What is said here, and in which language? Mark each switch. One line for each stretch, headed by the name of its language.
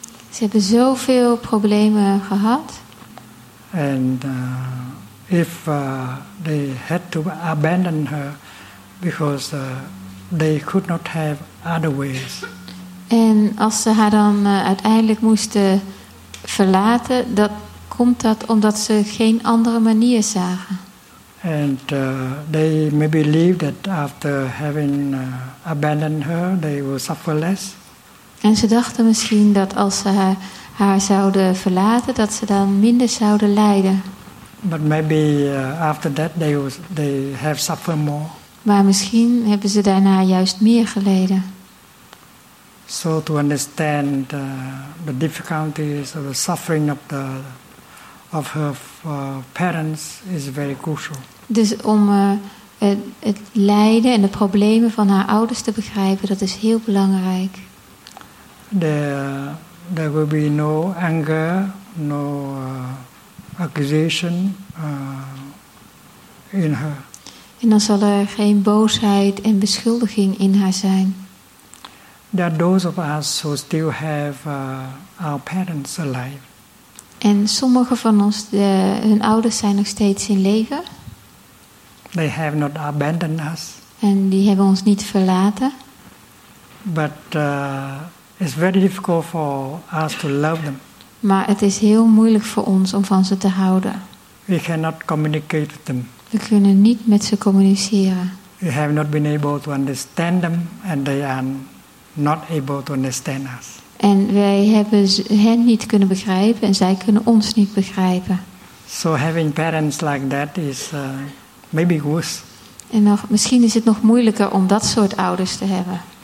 Dutch: Ze hebben zoveel problemen gehad.
English: And if they had to abandon her because they could not have other ways.
Dutch: En als ze haar dan uiteindelijk moesten verlaten, dat komt dat omdat ze geen andere manier zagen.
English: And they may believe that after having abandoned her, they will suffer less.
Dutch: En ze dachten misschien dat als ze haar zouden verlaten, dat ze dan minder zouden lijden.
English: But maybe after that they have suffered more.
Dutch: Maar misschien hebben ze daarna juist meer geleden.
English: So to understand the difficulties of the suffering of her parents is very crucial.
Dutch: Dus om het lijden en de problemen van haar ouders te begrijpen, dat is heel belangrijk.
English: There will be no anger, no accusation in her.
Dutch: En dan zal er geen boosheid en beschuldiging in haar zijn.
English: There are those of us who still have our parents alive.
Dutch: En sommige van ons, hun ouders zijn nog steeds in leven.
English: They have not abandoned us.
Dutch: En die hebben ons niet verlaten.
English: But it's very difficult for us to love them.
Dutch: Maar het is heel moeilijk voor ons om van ze te houden.
English: We cannot communicate with them.
Dutch: We kunnen niet met ze communiceren.
English: We have not been able to understand them, and they are not able to understand us.
Dutch: En wij hebben hen niet kunnen begrijpen en zij kunnen ons niet begrijpen.
English: So having parents like that is maybe worse.
Dutch: En nog, misschien is het nog moeilijker om dat soort ouders te hebben.